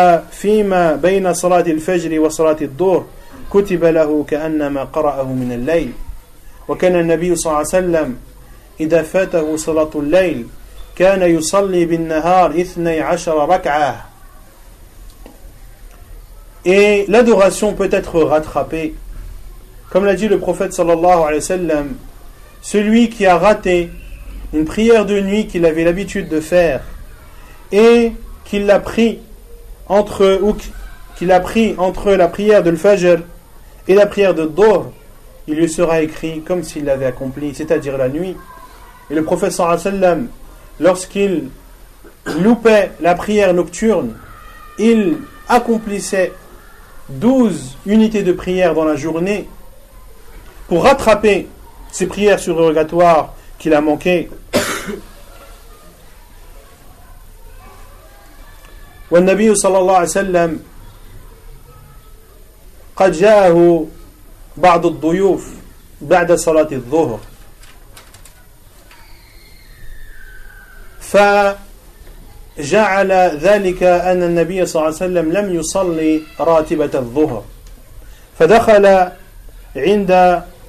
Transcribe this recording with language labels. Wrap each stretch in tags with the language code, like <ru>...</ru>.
<ar>فيما بين صلاة الفجر وصلاة الظهر كتب له كأنما قرأه من الليل وكان النبي صلى الله عليه وسلم إذا فاته صلاة الليل كان يصلي بالنهار 12 ركعة.</ar> <fr>Et l'adoration peut être rattrapée. Comme l'a dit le prophète sallallahu alayhi wa sallam, celui qui a raté une prière de nuit qu'il avait l'habitude de faire et qu'il l'a pris entre ou qu'il a pris entre la prière de l'Fajr et la prière de Dhuhr, il lui sera écrit comme s'il l'avait accompli, c'est-à-dire la nuit. Et le prophète sallallahu alayhi wa sallam, lorsqu'il loupait la prière nocturne, il accomplissait 12 unités de prière dans la journée pour rattraper ses prières surrogatoires qu'il a manqué.</fr> <ar>والنبي صلى الله عليه وسلم قد جاءه بعض الضيوف بعد صلاة الظهر فجعل ذلك أن النبي صلى الله عليه وسلم لم يصلي راتبة الظهر فدخل عند</ar>